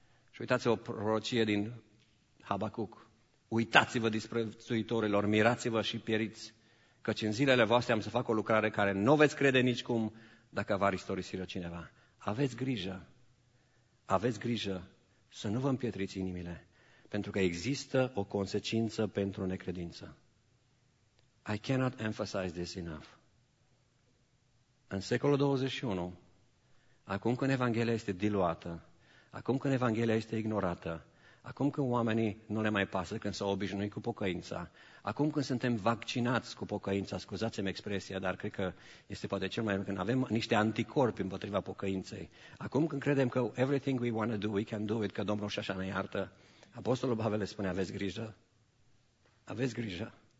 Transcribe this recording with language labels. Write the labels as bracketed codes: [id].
[ro] Și uitați-vă o prorocie din Habacuc. Uitați-vă disprețuitorilor, mirați-vă și pieriți, căci în zilele voastre am să fac o lucrare care nu veți crede nicicum dacă va istorisi-o cineva. Aveți grijă, aveți grijă să nu vă împietriți inimile, pentru că există o consecință pentru necredință. [en] I cannot emphasize this enough. [ro] În secolul 21, acum când Evanghelia este diluată, acum când Evanghelia este ignorată, acum când oamenii nu le mai pasă, când s-au obișnuit cu pocăința, acum când suntem vaccinați cu pocăința, scuzați-mi expresia, dar cred că este poate cel mai bun, când avem niște anticorpi împotriva pocăinței, acum când credem că [en] everything we want to do, we can do it, [ro] că Domnul și așa ne iartă, Apostolul Pavel le spune, aveți grijă, aveți grijă.